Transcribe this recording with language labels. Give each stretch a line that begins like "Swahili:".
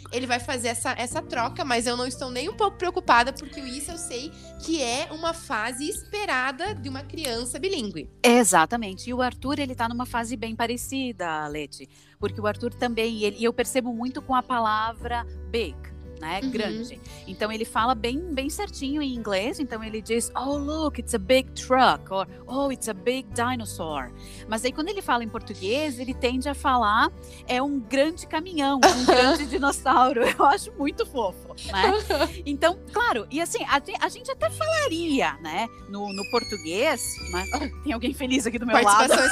Portuguese: Ele vai fazer essa troca, mas eu não estou nem um pouco preocupada, porque isso eu sei que é uma fase esperada de uma criança bilíngue. Exatamente. E o Arthur, ele tá numa fase bem parecida, Leti. Porque o Arthur também, e eu percebo muito com a palavra big. Né, grande. Então ele fala bem certinho em inglês. Então ele diz,
English: oh look, it's a big truck, or oh, it's a big dinosaur.
Portuguese: Mas aí quando ele fala em português, ele tende a falar, é um grande caminhão, um grande dinossauro. Eu acho muito fofo, né? Então, claro, e assim, a gente até falaria, né, no português, mas tem alguém feliz aqui do meu participação lado.